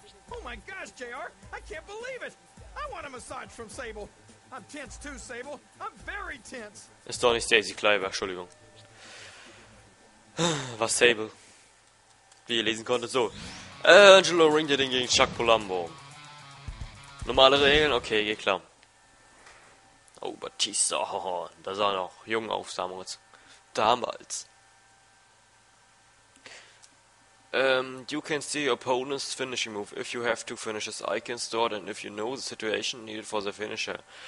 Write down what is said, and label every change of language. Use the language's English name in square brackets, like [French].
[English] Oh my gosh, JR, I can't believe it. I want a massage from Sable. I'm tense too, Sable. I'm very tense. [German] Ist doch nicht Stacy Kleiber, Entschuldigung. Was Sable? Wie ihr lesen konntet, so. Angelo ringt den gegen Chuck Palumbo. Normale Regeln? Okay, geht klar. Oh, Batista. Oh, da sah er noch jung auf damals. Damals. [English] You can see your opponent's finishing move. If you have two finishes, I can start. And if you know the situation needed for the finisher.